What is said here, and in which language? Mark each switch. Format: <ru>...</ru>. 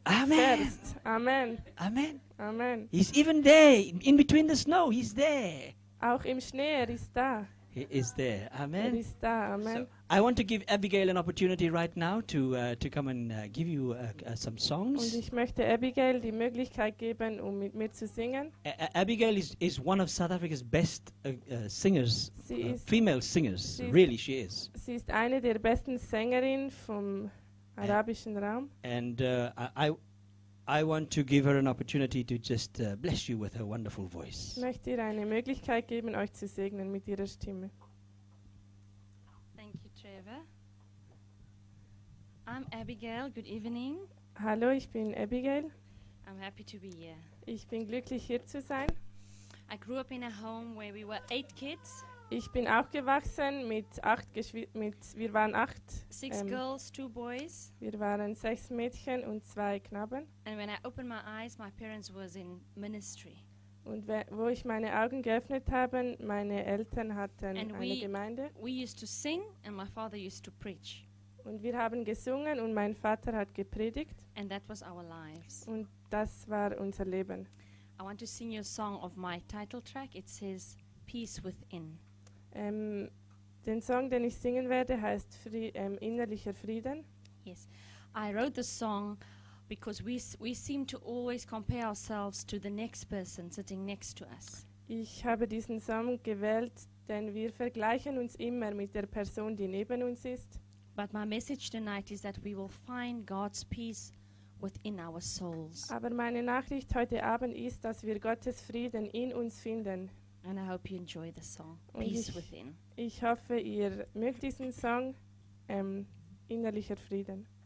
<en>Amen.</en> <de>Fährst. Amen.</de> <en>Amen. Amen. He's even there, in between the snow, he's there.</en> <de>Auch im Schnee, er ist da.</de> <en>He is there. Amen.</en> <de>Er ist da. Amen.</de> <en>So, I want to give Abigail an opportunity right now to come and give you some songs.</en> <de>Und ich möchte Abigail die Möglichkeit geben, mit mir zu singen.</de> <en>Abigail is one of South Africa's best singers, female singers.</en> <de>Sie</de> <en>really, she is.</en> <de>Sie ist eine der besten Sängerinnen vom Arabischen Raum.</de> <en>And I want to give her an opportunity to just bless you with her wonderful voice.</en> <de>Möchte ihr eine Möglichkeit geben, euch zu segnen mit ihrer Stimme.</de> <en>Thank you, Trevor. I'm Abigail. Good evening.</en> <de>Hallo, ich bin Abigail.</de> <en>I'm happy to be here.</en> <de>Ich bin glücklich, hier zu sein.</de> <en>I grew up in a home where we were 8 kids.</en> <de>Ich bin auch gewachsen mit 8 wir waren 8.</de> <en>6 girls, 2 boys.</en> <de>Wir waren 6 Mädchen und 2 Knaben.</de> <en>And when I opened my eyes, my parents was in ministry.</en> <de>Und wo ich meine Augen geöffnet habe, meine Eltern hatten</de> <en>and</en> <de>eine Gemeinde.</de> <en>We used to sing and my father used to preach.</en> <de>Und wir haben gesungen und mein Vater hat gepredigt.</de> <en>And that was our lives.</en> <de>Und das war unser Leben.</de> <en>I want to sing you a song of my title track. It says Peace Within.</en> <de>Den Song, den ich singen werde, heißt innerlicher Frieden.</de> <en>Yes, I wrote the song because we seem to always compare ourselves to the next person sitting next to us.</en> <de>Ich habe diesen Song gewählt, denn wir vergleichen uns immer mit der Person, die neben uns ist.</de> <en>But my message tonight is that we will find God's peace within our souls.</en> <de>Aber meine Nachricht heute Abend ist, dass wir Gottes Frieden in uns finden.</de> <en>And I hope you enjoy the song, Peace Within.</en> <de>Ich hoffe, ihr mögt diesen Song, innerlicher Frieden.</de>